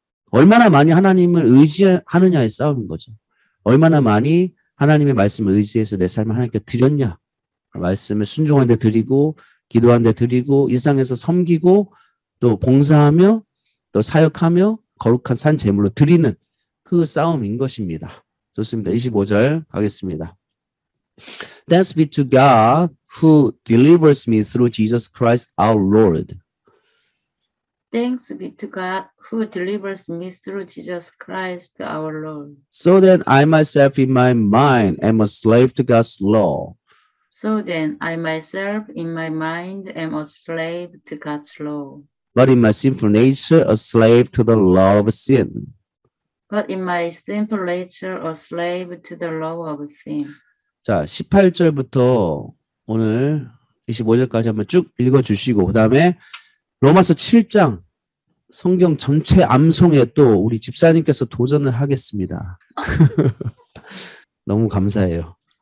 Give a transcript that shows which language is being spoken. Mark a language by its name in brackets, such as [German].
[Korean] 얼마나 많이 하나님을 의지하느냐의 싸움인 거죠. 얼마나 많이 하나님의 말씀을 의지해서 내 삶을 하나님께 드렸냐. 말씀을 순종한 데 드리고 기도한 데 드리고 일상에서 섬기고 또 봉사하며 또 사역하며 거룩한 산 제물로 드리는 그 싸움인 것입니다. 좋습니다. 25절 가겠습니다. [English] Thanks be to God who delivers me through Jesus Christ our Lord. Thanks be to God who delivers me through Jesus Christ our Lord. So then I myself in my mind am a slave to God's law. So then I myself in my mind am a slave to God's law. But in my sinful nature, a slave to the law of sin. But in my sinful nature, a slave to the law of sin. [Korean] 자, 18절부터 오늘 25절까지 한번 쭉 읽어주시고 그 다음에 로마서 7장 성경 전체 암송에 또 우리 집사님께서 도전을 하겠습니다. 너무 감사해요.